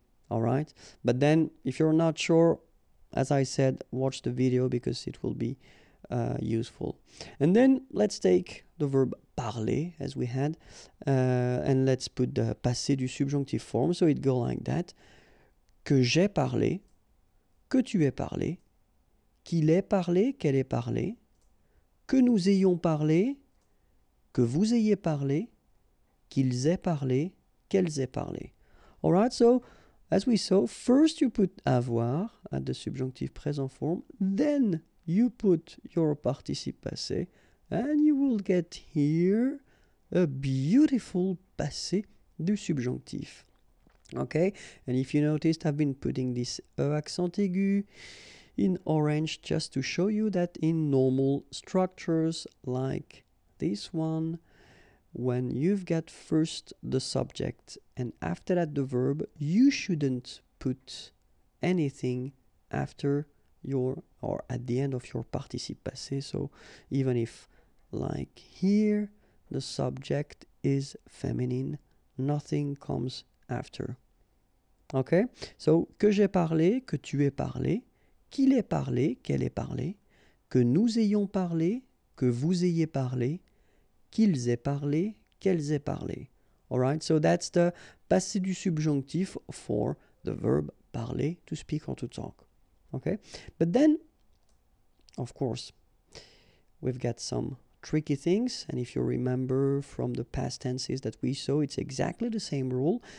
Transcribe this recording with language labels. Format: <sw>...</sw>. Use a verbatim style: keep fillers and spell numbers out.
<en>All right, but then if you're not sure, as I said, watch the video because it will be uh, useful. And then let's take the verb parler as we had, uh, and let's put the passé du subjonctif form, so it go like that.</en> <fr>Que j'ai parlé, que tu aies parlé, qu'il ait parlé, qu'elle ait parlé, que nous ayons parlé, que vous ayez parlé, qu'ils aient parlé, qu'elles aient parlé.</fr> <en>All right, so as we saw, first you put avoir at the subjunctive present form, then you put your participe passé, and you will get here a beautiful passé du subjunctif. Okay, and if you noticed, I've been putting this E accent aigu in orange just to show you that in normal structures like this one, when you've got first the subject and after that the verb, you shouldn't put anything after your or at the end of your participe passé. So even if, like here, the subject is feminine, nothing comes after. Okay?</en> <fr>So, que j'ai parlé, que tu aies parlé, qu'il ait parlé, qu'elle ait parlé, que nous ayons parlé, que vous ayez parlé, qu'ils aient parlé, qu'elles aient parlé.</fr> <en>All right, so that's the passé du subjonctif for the verb parler, to speak or to talk. Okay, but then, of course, we've got some tricky things. And if you remember from the past tenses that we saw, it's exactly the same rule.</en>